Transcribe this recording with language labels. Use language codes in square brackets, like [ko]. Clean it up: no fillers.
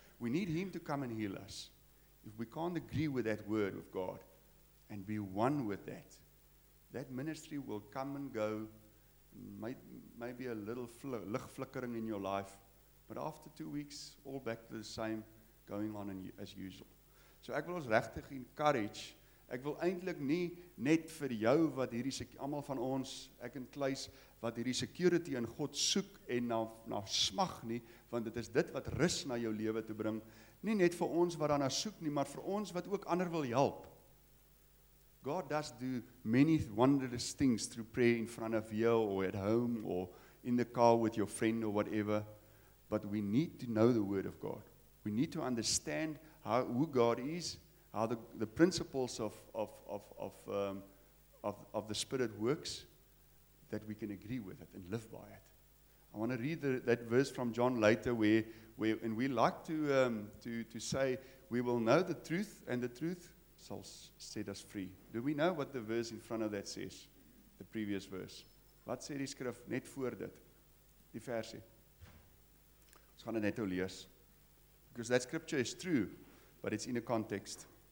[en] We need him to come and heal us. If we can't agree with that word of God and be one with that, that ministry will come and go, maybe a little licht flickering in your life, but after 2 weeks, all back to the same, going on as usual. [af] So ek wil ons regtig encourage, ek wil eintlik nie net vir jou wat hierdie, almal van ons, ek en Kluis, wat hierdie security in God soek en na smag nie, want dit is dit wat rus na jou lewe te bring, nie net vir ons wat daarna soek nie, maar vir ons wat ook ander wil help. [en] God does do many wondrous things through prayer in front of you, or at home, or in the car with your friend, or whatever, but we need to know the Word of God. We need to understand who God is, how the principles of the Spirit works, that we can agree with it and live by it. I want to read that verse from John later where we like to say we will know the truth and the truth shall set us free. Do we know what the verse in front of that says? The previous verse. [af] Wat sê die skrif net voor dit? Die versie. Ons gaan dit net nou lees. [en] Because that scripture is true, but it's in a context.